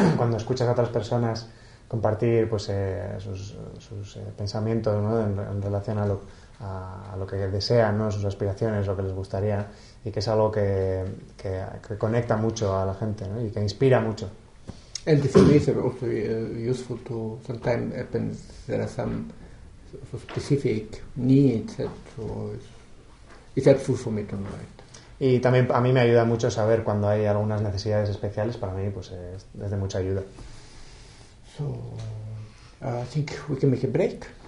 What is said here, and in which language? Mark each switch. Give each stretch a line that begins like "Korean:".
Spanish: Cuando escuchas a otras personas compartir pues sus pensamientos, ¿no? En relación a lo que desean, ¿no? Sus aspiraciones, lo que les gustaría, y que es algo que conecta mucho a la gente, ¿no? Y que inspira mucho.
English: And for me, it's also useful to. Sometimes happens there are some specific needs that it's helpful for me to know it.
Spanish: Y también a mí me ayuda mucho saber cuando hay algunas necesidades especiales para mí, pues es de mucha ayuda.
English: So I think we can make a break.